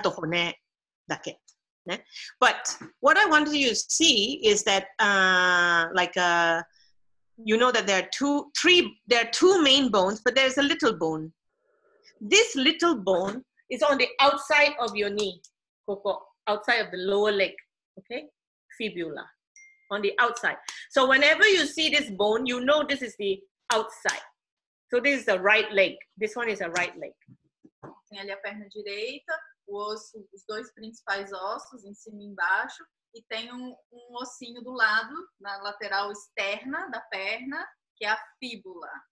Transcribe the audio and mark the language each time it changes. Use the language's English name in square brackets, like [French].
[Japanese] ごめん、ごめん、膝の、解剖、膝だけど、あの、すべてのものがここで写っていなくて、筋肉と靭帯、ここは靭帯、ここは、あの、これが靭帯、これが腱、ね、あと骨だけ、ね。 [English] But what I wanted you to see is that, you know that there are two main bones, but there's a little bone. This little bone is on the outside of your knee, [Japanese] ここ, [English] outside of the lower leg, okay? Fibula, on the outside. So whenever you see this bone, you know this is the outside. So this is the right leg. This one is the right leg. [Portuguese] Tem ali a perna direita, o osso, os dois principais ossos, em cima e embaixo, e tem um ossinho do lado, na lateral externa da perna, que é a fíbula.